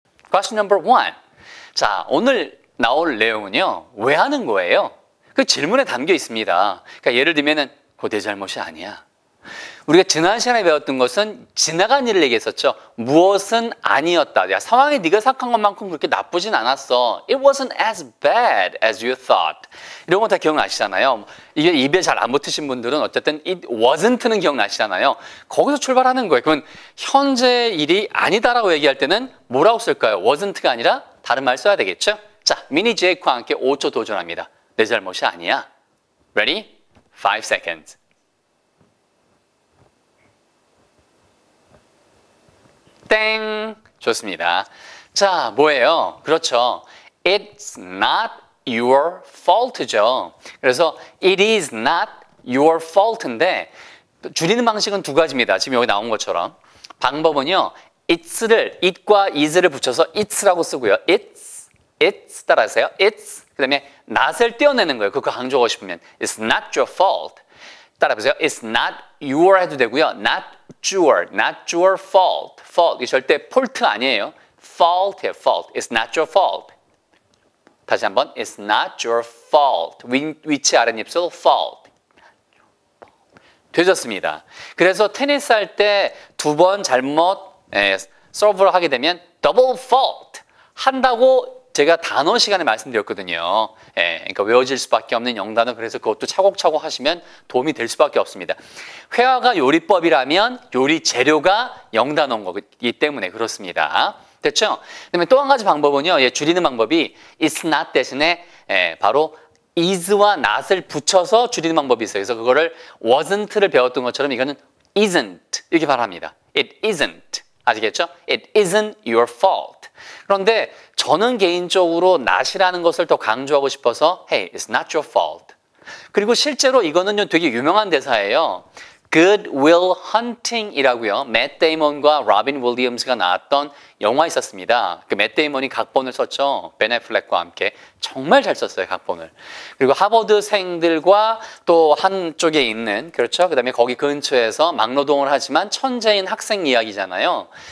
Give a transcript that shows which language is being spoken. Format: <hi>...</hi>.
<en>Question number one.</en> <ko>자, 오늘 나올 내용은요. 왜 하는 거예요? 그 질문에 담겨 있습니다. 그러니까 예를 들면은 그거 내 잘못이 아니야. 우리가 지난 시간에 배웠던 것은 지나간 일을 얘기했었죠. 무엇은 아니었다. 야, 상황이 네가 생각한 것만큼 그렇게 나쁘진 않았어.</ko> <en>It wasn't as bad as you thought.</en> <ko>이런 거 다 기억나시잖아요. 이게 입에 잘 안 붙으신 분들은 어쨌든</ko> <en>it wasn't</en> <ko>는 기억나시잖아요. 거기서 출발하는 거예요. 그러면 현재 일이 아니다라고 얘기할 때는 뭐라고 쓸까요? wasn't가 아니라 다른 말 써야 되겠죠? 자, 미니 제이크와 함께 5초 도전합니다. 내 잘못이 아니야.</ko> <en>Ready? 5 seconds.</en> <ko>Ding. 좋습니다. 자, 뭐예요? 그렇죠.</ko> <en>It's not your fault죠.</en> <ko>그래서</ko> <en>it is not your fault</en> <ko>인데 줄이는 방식은 두 가지입니다. 지금 여기 나온 것처럼. 방법은요. it's를 it과 is를 붙여서 it's라고 쓰고요. it's 따라하세요. it's 그다음에 not을 떼어내는 거예요. 그거 강조하고 싶으면</ko> <en>it's not your fault.</en> <ko>따라해보세요.</ko> <en>It's not your</en> <ko>해도 되고요.</ko> <en>Not your fault.</en> <ko>Fault. 이 절대 폴트 아니에요.</ko> <en>Fault이에요. Fault. It's not your fault.</en> <ko>다시 한번.</ko> <en>It's not your fault.</en> <ko>위치 아랫 입술.</ko> <en>Fault.</en> <ko>되셨습니다. 그래서 테니스 할 때 두 번 잘못 서브를 하게 되면 double fault 한다고 제가 단어 시간에 말씀드렸거든요. 예, 그러니까 외워질 수밖에 없는 영단어. 그래서 그것도 차곡차곡 하시면 도움이 될 수밖에 없습니다. 회화가 요리법이라면 요리 재료가 영단어인 거기 때문에 그렇습니다. 됐죠? 그다음에 또 한 가지 방법은요. 예, 줄이는 방법이 is not 대신에 예, 바로 is와 not을 붙여서 줄이는 방법이 있어요. 그래서 그거를 wasn't를 배웠던 것처럼 이거는 isn't 이렇게 말합니다.</ko> <en>It isn't.</en> <ko>아시겠죠?</ko> <en>It isn't your fault.</en> <ko>그런데 저는 개인적으로 not이라는 것을 더 강조하고 싶어서</ko> <en>Hey, it's not your fault.</en> <ko>그리고 실제로 이거는요 되게 유명한 대사예요. Good Will Hunting이라고요. 맷 데이먼과 로빈 윌리엄스가 나왔던 영화 있었습니다. 그 맷 데이먼이 각본을 썼죠. 벤 애플렉과 함께. 정말 잘 썼어요, 각본을. 그리고 하버드생들과 또 한쪽에 있는, 그렇죠? 그 다음에 거기 근처에서 막노동을 하지만 천재인 학생 이야기잖아요.</ko>